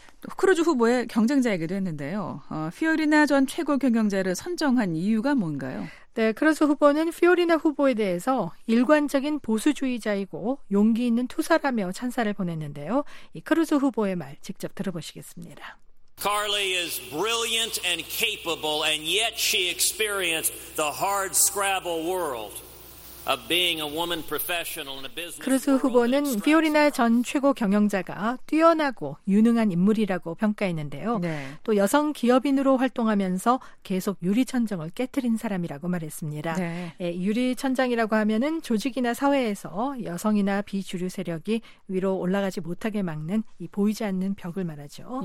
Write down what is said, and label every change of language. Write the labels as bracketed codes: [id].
[ko] 또 크루즈 후보의 경쟁자이기도 했는데요. 피오리나 전 최고 경영자를 선정한 이유가 뭔가요? 네, 크루즈 후보는 피오리나 후보에 대해서 일관적인 보수주의자이고 용기 있는 투사라며 찬사를 보냈는데요. 이 크루즈 후보의 말 직접 들어보시겠습니다. [en] Carly is brilliant and capable, and yet she experienced the hard scrabble world of being a woman professional in a business. [ko] 크루즈 후보는 피오리나 전 최고 경영자가 뛰어나고 유능한 인물이라고 평가했는데요. 네. 또 여성 기업인으로 활동하면서 계속 유리천장을 깨뜨린 사람이라고 말했습니다. 네. 예, 유리천장이라고 하면은 조직이나 사회에서 여성이나 비주류 세력이 위로 올라가지 못하게 막는 이 보이지 않는 벽을 말하죠.